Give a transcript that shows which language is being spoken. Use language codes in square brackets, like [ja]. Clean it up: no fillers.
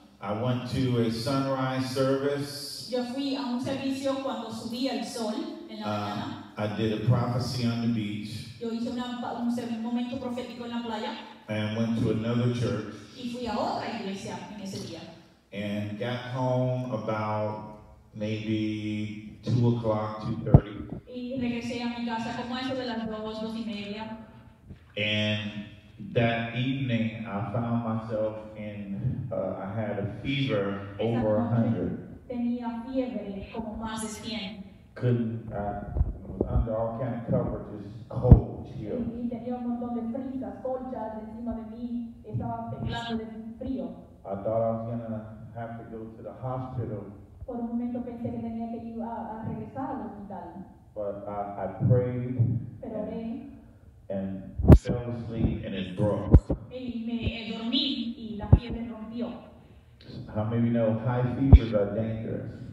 [en] I went to a sunrise service. [es] Yo fui a un servicio cuando subía el sol en la mañana. [en] I did a prophecy on the beach. [es] Yo hice un momento profético en la playa. [en] And went to another church. [es] Y fui a otra iglesia en ese día. [en] And got home about maybe 2 o'clock, 2:30. [es] Y regresé a mi casa como eso de las 2:30. [en] And that evening I found myself in, I had a fever over 100. [es] Tenía fiebre como más de 100. [en] Couldn't, I was under all kind of cover, just cold chill. [es] Y tenía un montón de frisas, colchas encima de mí, estaba temblando de frío. [en] I thought I was going to have to go to the hospital. [es] Por un momento pensé que tenía que ir a regresar al hospital. [en] But I prayed. [es] Pero oré. [en] And fell asleep and it broke. [es] Y me dormí y la fiebre rompió. [en] How many know high fevers are dangerous?